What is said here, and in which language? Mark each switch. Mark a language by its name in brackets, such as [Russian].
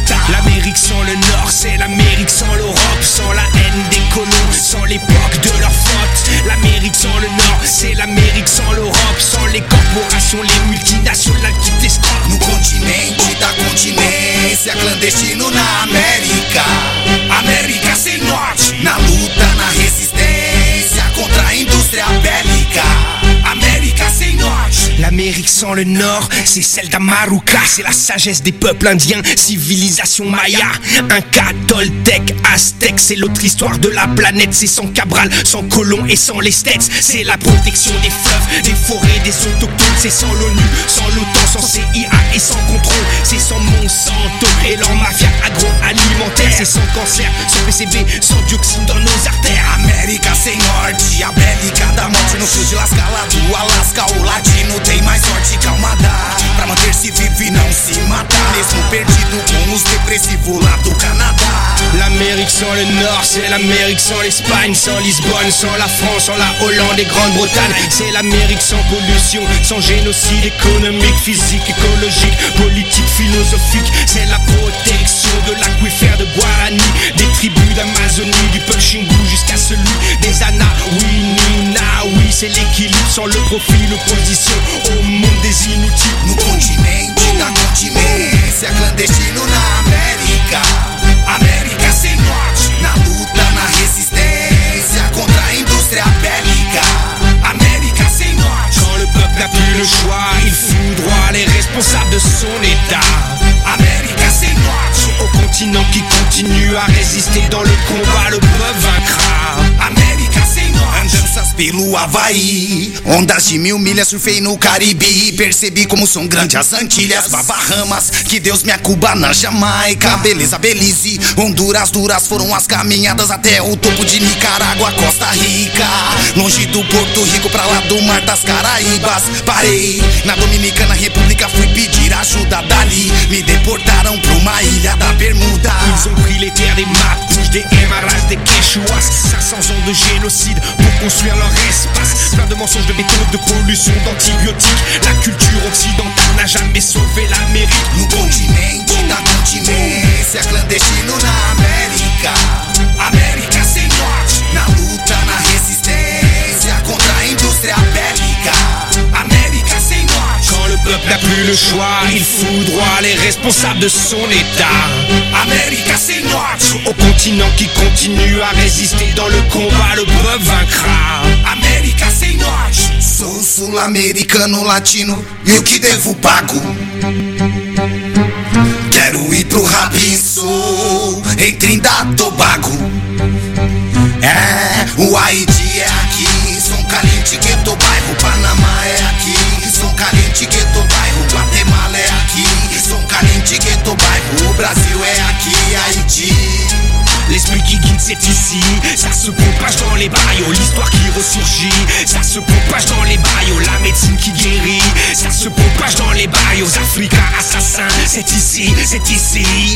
[French] L'Amérique sans le Nord, c'est l'Amérique sans l'Europe, sans la haine des colons, sans l'époque de leur faute. L'Amérique sans le Nord, c'est l'Amérique sans l'Europe, sans les corporations, les multinationales qui t'escortent. [Portuguese] No continente da continência, clandestino na América. América sem norte, na luta, na resistência contra a indústria bélica. América sem norte. [French] L'Amérique sans le Nord, c'est celle d'Amaruca. C'est la sagesse des peuples indiens, civilisation maya. Inca, Toltec, Aztec, c'est l'autre histoire de la planète. C'est sans Cabral, sans Colomb et sans les Stets. C'est la protection des fleuves, des forêts, des autochtones. C'est sans l'ONU, sans l'OTAN, sans CIA et sans contrôle. C'est sans Monsanto et leur mafia agroalimentaire. C'est sans cancer, sans PCB, sans dioxine dans nos artères. [Portuguese] América sem norte, América da morte. No sul de Las Galas, do Alasca, o latino. Tem mais sorte que alma dá pra manter-se vivo e não se matar. Mesmo perdido com os depressivos lá do Canadá. [French] L'Amérique sans le Nord, c'est l'Amérique sans l'Espagne, sans Lisbonne, sans la France, sans la Hollande et Grande-Bretagne. C'est l'Amérique sans pollution, sans génocide économique, physique, écologique, politique, philosophique. C'est la protection de l'aquifère de Guarani, des tribus d'Amazonie, du peuple Xingu jusqu'à celui des Anahuininaoui. C'est l'équilibre sans le profit, l'opposition au monde des inutiles. [Portuguese] No continente, da continência, c'est clandestino na América. América sem norte, na luta, na resistência contra a indústria bélica. América sem norte, [French] quand le peuple n'a plus le choix, il foudroie les responsables de son état. [Portuguese] América sem norte, [French] au continent qui continue à résister dans le combat, le peuple vaincra. [Portuguese] América sem norte, andanças pelo Havaí, ondas de mil milhas, surfei no Caribe e percebi como são grandes as Antilhas. Bahamas, que Deus me acuba na Jamaica. Beleza, Belize, Honduras, duras foram as caminhadas até o topo de Nicarágua, Costa Rica. Longe do Porto Rico, pra lá do Mar das Caraíbas. Parei na Dominicana República, fui pedir ajuda dali. Me deportaram pra uma ilha da Bermuda. [French] Ils ont pris les terres des Mapuches, des Aymaras, des Quechuas. 500 ans de génocide pour construire leur espace. Plein de mensonges, de béton, de pollution, d'antibiotiques. La culture occidentale n'a jamais sauvé l'Amérique. No continente, da continência, clandestino na América. América sem norte, na luta, na resistência contra a indústria bélica. América sem norte, quand le peuple n'a plus le choix, il foudroie les responsables de son état. América sem norte, au continent qui continue à résister dans le combat, le peuple vaincra. [Portuguese] América sem norte, sou sul-americano latino, e o que devo pago? Quero ir pro Rabiço, em Trindade Tobago. É, o Haiti é aqui, São Caliente, Gueto, bairro. Panamá é aqui, São Caliente, Gueto, bairro. Guatemala é aqui, São Caliente, Gueto, bairro. O Brasil é aqui, Haiti. [French] L'esprit qui guide c'est ici, ça se propage dans les barrios. L'histoire qui ressurgit, ça se propage dans les barrios. La médecine qui guérit, ça se propage dans les barrios. Africa assassin, c'est ici, c'est ici.